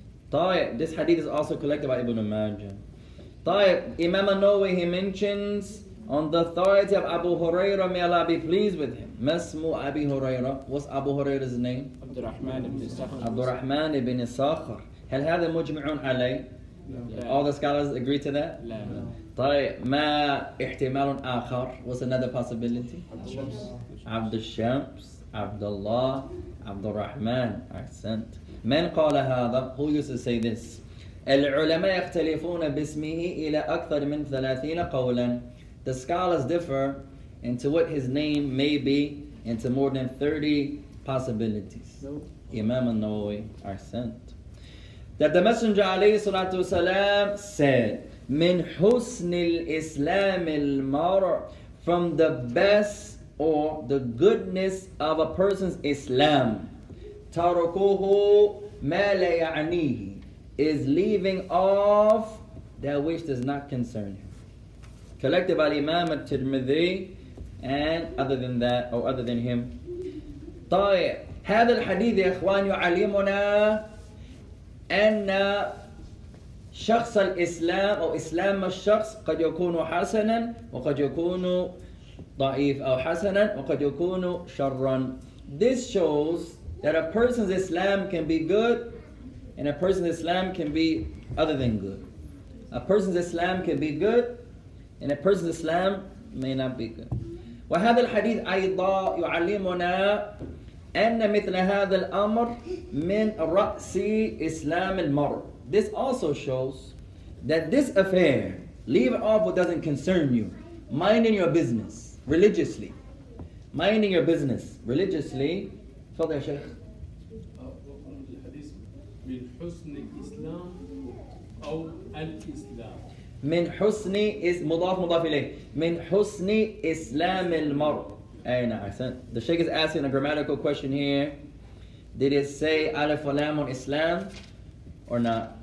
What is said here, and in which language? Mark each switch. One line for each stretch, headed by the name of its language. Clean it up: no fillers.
English: طيب this hadith is also collected by Ibn Majah طيب Imam An-Nawawi he mentions on the authority of Abu Hurairah may Allah be pleased with him
Arabic: ما اسمه أبي هريرة
English: what's Abu Hurairah's name
Arabic: عبد الرحمن بن الصخر عبد الرحمن بن الصخر هل هذا مجمع عليه
English: No. All the scholars agree to that? No.
Arabic: طيب ما احتمال آخر?
English: What's another possibility?
Arabic: عبد الشمس. عبد الله. عبد الرحمن. Accent. من قال هذا?
English: Who used to say this?
Arabic: العلماء يختلفون باسمه إلى أكثر من 30 قولا.
English: The scholars differ into what his name may be into more than 30 possibilities. Nope. Imam An-Nawawi. Accent. That the Messenger عليه الصلاة والسلام said,
Arabic: من حسن الإسلام المرء
English: from the best or the goodness of a person's Islam,
Arabic: تركه ما لا يعنيه
English: is leaving off that which does not concern him. Collected by Imam al-Tirmidhi and other than that or other than him.
Arabic: طيب هذا الحديث يا إخوان يعلمنا أن شخص الإسلام أو إسلام الشخص قد يكون حسنا وقد يكون ضعيف أو حسنا وقد يكون شرا.
English: This shows that a person's Islam can be good and a person's Islam can be other than good. A person's Islam can be good and a person's Islam may not be good.
Arabic: وهذا الحديث أيضا يعلمنا أن مثل هذا الأمر من رأس إسلام المرء.
English: This also shows that this affair, leave off what doesn't concern you, minding your business religiously, minding your business religiously.
Arabic: تفضل يا شيخ. الحديث من حسن الإسلام أو الإسلام. من حسن إسلام مضاف مضاف إليه. من حسن إسلام المرء.
English: The Sheikh is asking a grammatical question here. Did it say alif lam on Islam or not?